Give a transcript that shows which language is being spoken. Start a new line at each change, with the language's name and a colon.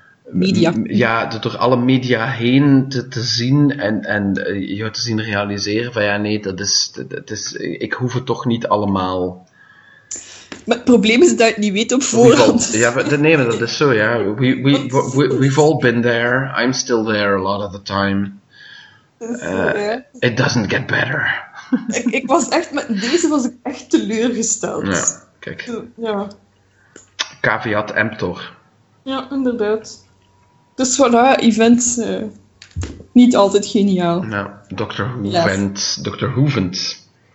Dutch: media. Ja, door alle media heen te zien en je te zien realiseren van ja, nee, dat is, ik hoef het toch niet allemaal. Maar het probleem is dat je het niet weet op voorhand. Nee, dat is zo, ja.
English: We've all been there. I'm still there a lot of the time. It doesn't get better.
Dutch: ik was echt, met deze was ik echt teleurgesteld. Ja, kijk. Ja.
Latin: Caveat emptor.
Dutch: Ja, inderdaad. Dus voilà, events niet altijd geniaal. Nou, Dr. Hoevent. Yes. Dr. Hoevent.